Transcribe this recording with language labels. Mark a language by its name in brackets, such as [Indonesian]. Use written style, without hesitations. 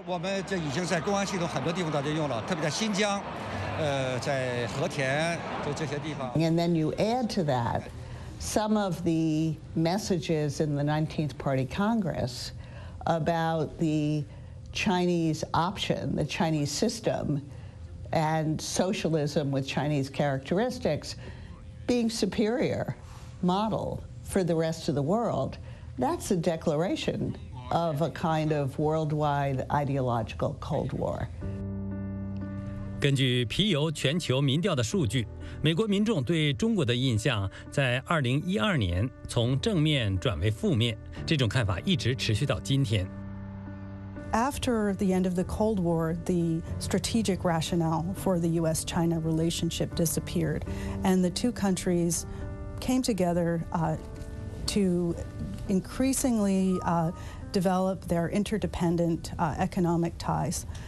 [Chinese] 我们这已经在公安系统很多地方都用了，特别在新疆，在和田，就这些地方。 [English] And then you add to that some of the messages in the 19th Party Congress about the Chinese option, the Chinese system, and socialism with Chinese characteristics being superior model for the rest of the world. That's a declaration of a kind of worldwide ideological Cold War. [Chinese] 根据皮尤全球民调的数据，美国民众对中国的印象在2012年从正面转为负面，这种看法一直持续到今天。 [English] After the end of the Cold War, the strategic rationale for the U.S.-China relationship disappeared, and the two countries came together to increasingly develop their interdependent economic ties.